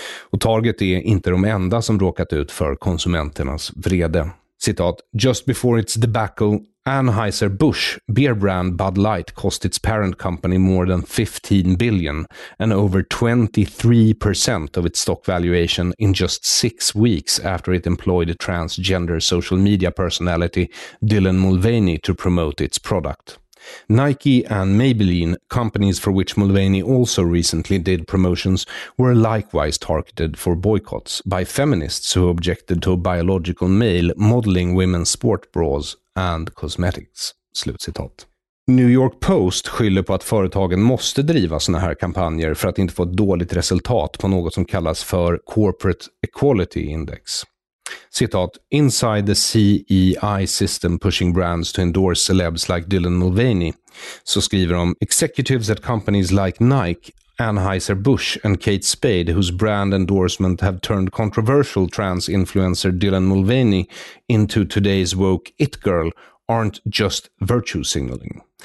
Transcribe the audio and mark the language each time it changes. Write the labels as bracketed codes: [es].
[sv] Och Target är inte de enda som råkat ut för konsumenternas vrede. Citat, [en] just before its debacle, Anheuser-Busch beer brand Bud Light cost its parent company more than $15 billion and over 23% of its stock valuation in just 6 weeks after it employed a transgender social media personality Dylan Mulvaney to promote its product. Nike and Maybelline, companies for which Mulvaney also recently did promotions, were likewise targeted for boycotts by feminists who objected to a biological male modeling women's sport bras and cosmetics. [sv] Slutcitat. New York Post skyller på att företagen måste driva såna här kampanjer för att inte få ett dåligt resultat på något som kallas för Corporate Equality Index. Citat, [en] inside the CEI system pushing brands to endorse celebs like Dylan Mulvaney, [sv] så skriver de, [en] executives at companies like Nike, Anheuser-Busch and Kate Spade, whose brand endorsement have turned controversial trans influencer Dylan Mulvaney into today's woke it girl, aren't just virtue signaling.